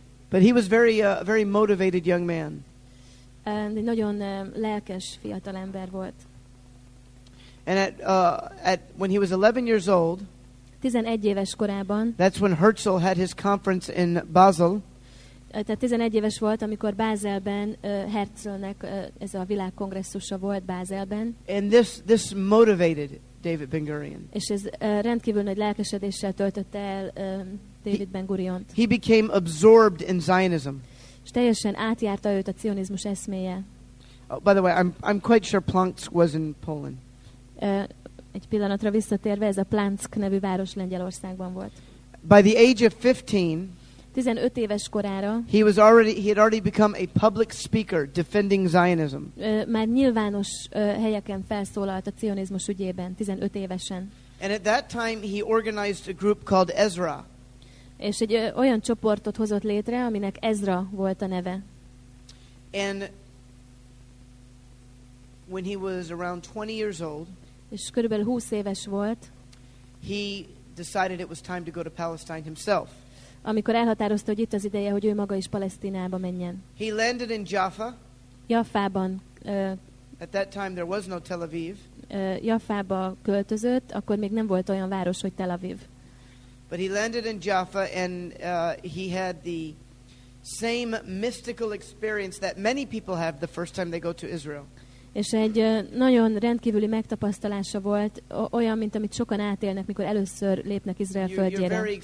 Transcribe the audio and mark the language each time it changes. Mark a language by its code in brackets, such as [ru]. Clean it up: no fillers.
[en] But he was very, very motivated young man. [hu] Egy nagyon lelkes fiatal ember volt. [en] And at when he was 11 years old, [hu] 11 éves korában, [en] that's when Herzl had his conference in Basel. [hu] Tehát 11 éves volt, amikor Bázelben Herzlnek ez a világkongresszusa volt Bázelben. [en] And this motivated David Ben-Gurion. [hu] És ez rendkívül nagy lelkesedéssel töltötte el David Ben-Guriont. [en] He became absorbed in Zionism. [hu] És teljesen átjárta őt a cionizmus eszméje. [en] Oh, by the way, I'm quite sure Plansk was in Poland. [hu] Egy pillanatra visszatérve, ez a Plansk nevű város Lengyelországban volt. [en] By the age of 15, [hu] 15 éves korára, [en] he had already become a public speaker defending Zionism. [hu] Már nyilvános helyeken felszólalt a cionizmus ügyében, 15 évesen. [en] And at that time he organized a group called Ezra. [hu] És egy olyan csoportot hozott létre, aminek Ezra volt a neve. [en] And when he was around 20 years old, [hu] és körülbelül 20 éves volt, [en] he decided it was time to go to Palestine himself. [hu] Amikor elhatározta, hogy itt az ideje, hogy ő maga is Palesztinába menjen. [en] He landed in Jaffa. [hu] Jaffában. [en] At that time there was no Tel Aviv. [hu] Jaffába költözött, akkor még nem volt olyan város, hogy Tel Aviv. [en] But he landed in Jaffa and he had the same mystical experience that many people have the first time they go to Israel. [hu] És egy nagyon rendkívüli megtapasztalása volt, olyan, mint amit sokan átélnek, mikor először lépnek Izrael földjére.